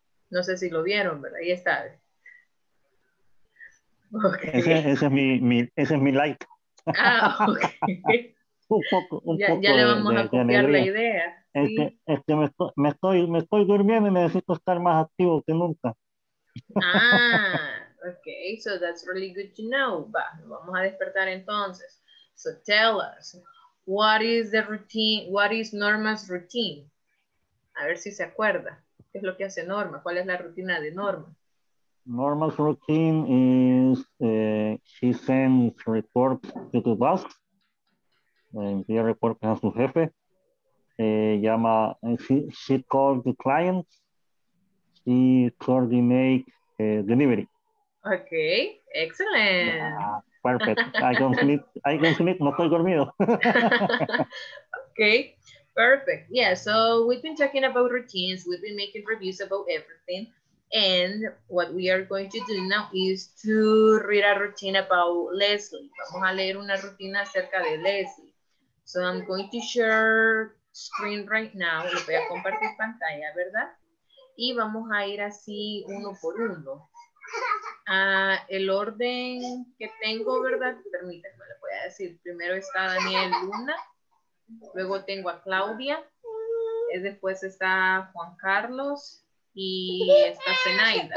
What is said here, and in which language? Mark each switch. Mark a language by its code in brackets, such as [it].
[es] No sé si lo vieron, pero ahí está. [en] Okay. [es] Ese es mi like. [en] Ah, okay. [es] un poco ya le vamos a copiar la idea. Es que me estoy durmiendo y necesito estar más activo que nunca. [en] Ah, okay, so that's really good to know. [es] Va, vamos a despertar entonces. [en] So tell us, what is the routine, what is Norma's routine? [es] A ver si se acuerda. ¿Qué es lo que hace Norma? ¿Cuál es la rutina de Norma? [en] Norma's routine is she sends reports to the boss. [es] Envía reportes a su jefe. [en] She calls the clients. She coordinates delivery. Okay, excellent. Perfect. I can sleep. [es] No estoy dormido. [en] Okay, perfect. Yeah, so we've been talking about routines. We've been making reviews about everything. And what we are going to do now is to read a routine about Leslie. [es] Vamos a leer una rutina acerca de Leslie. [en] So I'm going to share screen right now. [es] Le voy a compartir pantalla, ¿verdad? Y vamos a ir así uno por uno. El orden que tengo, ¿verdad? Permítanme, le voy a decir. Primero está Daniel Luna. Luego tengo a Claudia. Después está Juan Carlos. Y está Zenaida.